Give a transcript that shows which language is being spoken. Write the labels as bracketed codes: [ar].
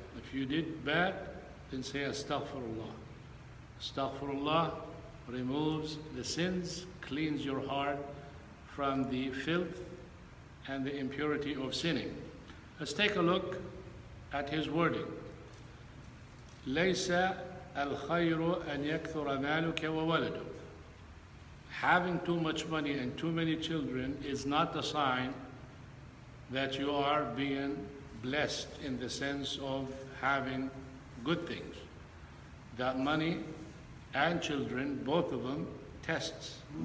[en] If you did bad, then say astaghfirullah. Astaghfirullah removes the sins, cleans your heart from the filth and the impurity of sinning. Let's take a look at his wording. [ar] ليس الخير أن يكثر مالك وولدك. [en] Having too much money and too many children is not a sign that you are being blessed in the sense of having good things. That money and children, both of them, tests.